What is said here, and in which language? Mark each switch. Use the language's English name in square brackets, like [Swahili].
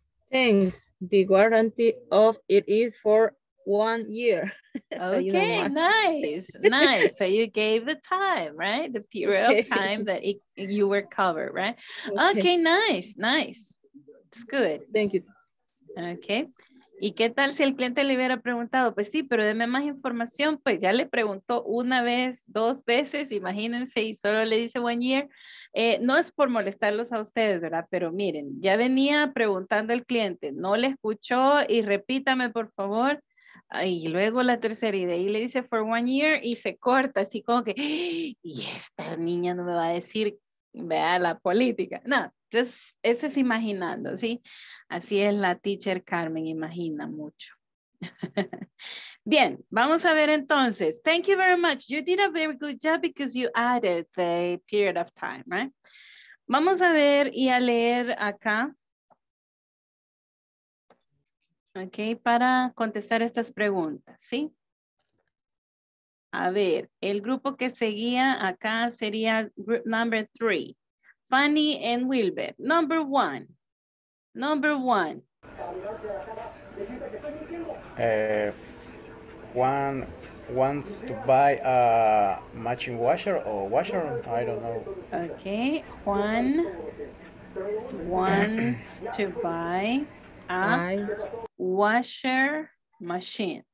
[English] Thanks. The guarantee of it is for 1 year. Okay, nice. So you gave the time, right? The period okay. of time that you were covered, right? Okay, nice. It's good. Thank you. Okay. [Spanish] ¿Y qué tal si el cliente le hubiera preguntado? Pues sí, pero deme más información. Pues ya le preguntó una vez, dos veces, imagínense, y solo le dice [English] 1 year. [Spanish] No es por molestarlos a ustedes, ¿verdad? Pero miren, ya venía preguntando el cliente, no le escuchó, y repítame, por favor. Y luego la tercera, y de ahí le dice [English] 1 year, [Spanish] y se corta, así como que, y esta niña no me va a decir, vea la política. No, entonces, eso es imaginando, ¿sí? Así es la teacher Carmen, imagina mucho. Bien, vamos a ver entonces. [English] Thank you very much. You did a very good job because you added the period of time, right? [Spanish] Vamos a ver y a leer acá. Ok, para contestar estas preguntas, ¿sí? A ver, el grupo que seguía acá sería group number 3. [English] Fanny and Wilbert, number one. Juan wants to buy a matching washer, I don't know. Okay, Juan wants to buy a washer machine.